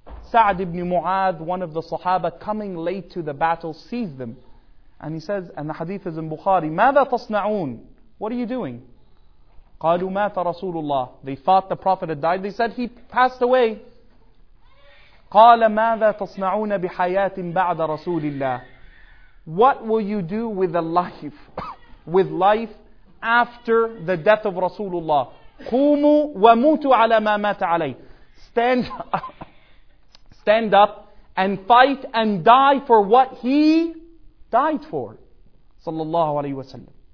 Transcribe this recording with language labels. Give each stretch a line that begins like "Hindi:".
English: Sa'd ibn Mu'adh, one of the Sahaba coming late to the battle, sees them. And he says, and the hadith is in Bukhari,
Arabic: ماذا تصنعون?
English: What are you doing?
Arabic: قالوا مات رسول الله.
English: They thought the Prophet had died. They said, he passed away.
Arabic: قال ماذا تصنعون بحياة بعد رسول الله?
English: What will you do with the life? With life after the death of Rasulullah.
Arabic: قوموا وموتوا على ما مات عليه.
English: Stand stand up and fight and die for what he died for, sallallahu alaihi wasallam.